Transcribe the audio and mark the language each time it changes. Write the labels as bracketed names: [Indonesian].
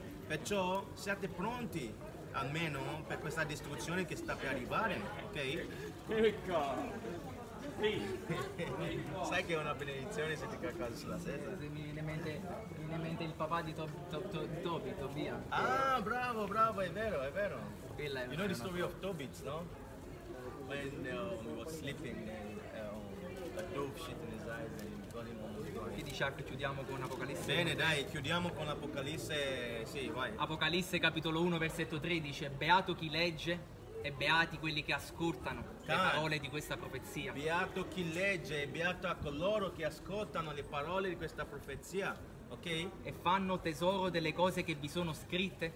[Italian] Perciò siate pronti, almeno, per questa distruzione che sta per arrivare, ok? Ecco! Sì. Sai che è una benedizione se ti caccasi sulla sedia? Sì, mi viene in mente il papà di Toby, Tobia. Ah, bravo, bravo, è vero, è vero. Bella, [English] you know the story of Tobit, no? When he was sleeping and a dove shit in his eyes and got him on the floor. [Italian] Che dice, chiudiamo con Apocalisse? Bene, dai, chiudiamo con Apocalisse, sì, vai. Apocalisse capitolo 1, versetto 13, beato chi legge e beati quelli che ascoltano le parole di questa profezia. Beato chi legge e beato a coloro che ascoltano le parole di questa profezia, ok? E fanno tesoro delle cose che vi sono scritte.